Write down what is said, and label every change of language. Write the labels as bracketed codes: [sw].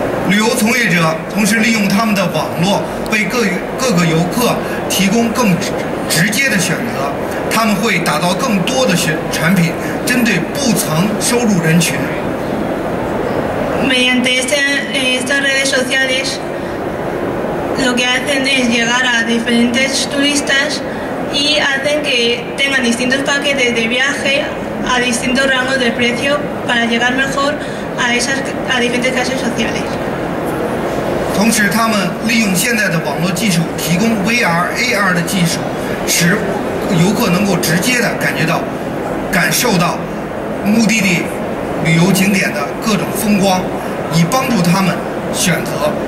[zh] 旅游从业者同时利用他们的网络，为各个游客提供更直接的选择。他们会打造更多的产品，针对不曾收入人群。 [es] Mediante estas redes sociales, lo que hacen es llegar a diferentes turistas y hacen que tengan distintos paquetes de viaje a distintos rangos de precio para llegar mejor a diferentes clases sociales. [zh] 同时，他们利用现在的网络技术，提供 VR、AR 的技术，使游客能够直接地感受到目的地旅游景点的各种风光，以帮助他们选择。